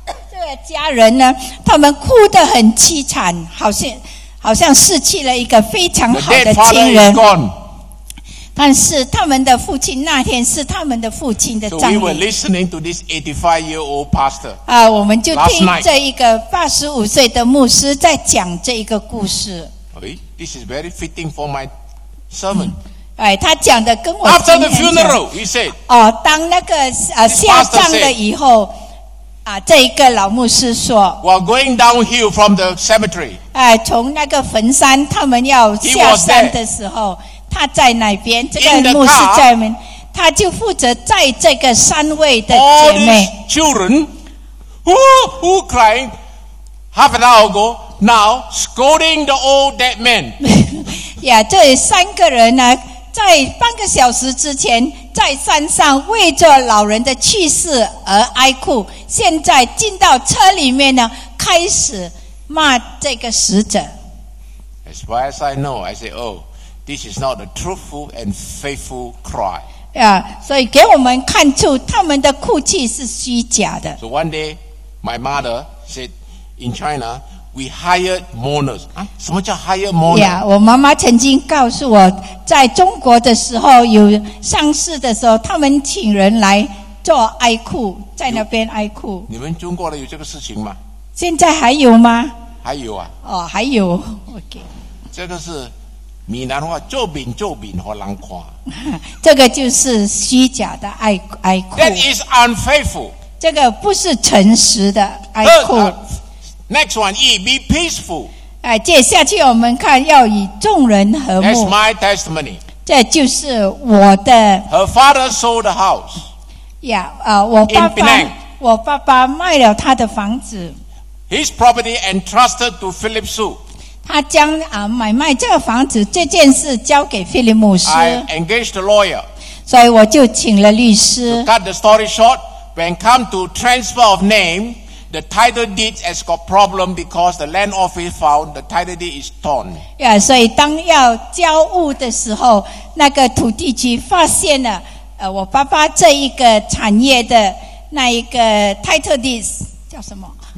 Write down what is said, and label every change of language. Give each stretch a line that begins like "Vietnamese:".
Chinese: 这个家人呢他们哭得很凄惨好像失去了一个非常好的亲人
English: gone.
Chinese: 但是他们的父亲那天是他们的父亲的葬礼
English: So we were listening to this 85-year-old pastor
Chinese: 我们就听这一个85岁的牧师在讲这一个故事
English: This is very fitting for my sermon
Chinese: 他讲的跟我
English: After the funeral, he said,
Chinese: 当那个、下葬了以后
English: said,
Chinese: 这一个老牧师说
English: While going downhill from the cemetery,
Chinese: 从那个坟山他们要下山的时候 他在那边这个牧师在那边 他就负责载这个三位的姐妹
English: All these children who cried half an hour ago now scolding the old dead man
Chinese: 这三个人呢在半个小时之前在山上为着老人的去世而哀哭现在进到车里面呢开始骂这个死者
English: As far as I know I say oh this is not a truthful and faithful cry
Chinese: yeah, 所以给我们看出他们的哭泣是虚假的
English: So one day my mother said in ChinaWe hired mourners.
Chinese: 什么叫
English: hire mourners?
Chinese: Yeah, 我妈妈曾经告诉我，在中国的时候有丧事的时候，他们请人来做哀哭，在那边哀哭。你们中国的有这个事情吗？现在还有吗？还有啊。哦，还有。OK。这个是闽南话，做饼做饼和难夸。这个就是虚假的哀哭。
English: That is unfaithful.
Chinese: 这个不是诚实的哀哭。
English: Next one, E, be peaceful.
Chinese: 接下去我们看要以众人和睦。
English: That's my testimony.
Chinese: 这就是我的。
English: Her father sold the house.
Chinese: Yeah, 我爸爸
English: In Penang.
Chinese: 我爸爸卖了他的房子。
English: His property entrusted to Philip Su.
Chinese: 他将、买卖这个房子这件事交给菲利姆斯。
English: I engaged a lawyer.
Chinese: 所以我就请了律师。
English: To cut the story short, when come to transfer of name,The title deed has got problem because the land office found the title deed is torn.
Chinese: Yeah, 所以当要交物的时候，那个土地局发现了，我爸爸这一个产业的那一个 title deed 叫什么？